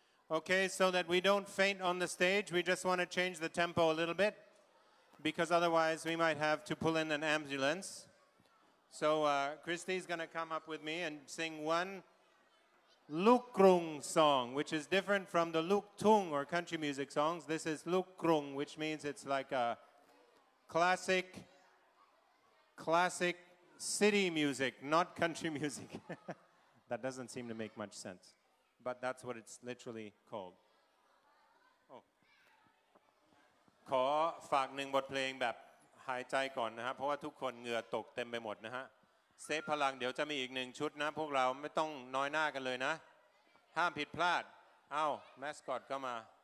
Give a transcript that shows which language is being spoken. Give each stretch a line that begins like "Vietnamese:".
English: โอเค so that we don't faint on the stage we just want to change the tempo a little bit because otherwise we might have to pull in an ambulance so Kristy is going to come up with me and sing oneLukrung song, which is different from the Luktung or country music songs. This is Lukrung, which means it's like a classic, classic city music, not country music. That doesn't seem to make much sense, but that's what it's literally called. Oh.
Thai: ขอฝากหนึ่งบทเพลงแบบหายใจก่อนนะฮะเพราะว่าทุกคนเหงื่อตกเต็มไปหมดนะฮะเซฟพลังเดี๋ยวจะมีอีกหนึ่งชุดนะพวกเราไม่ต้องน้อยหน้ากันเลยนะห้ามผิดพลาดเอ้าแมสคอตก็มา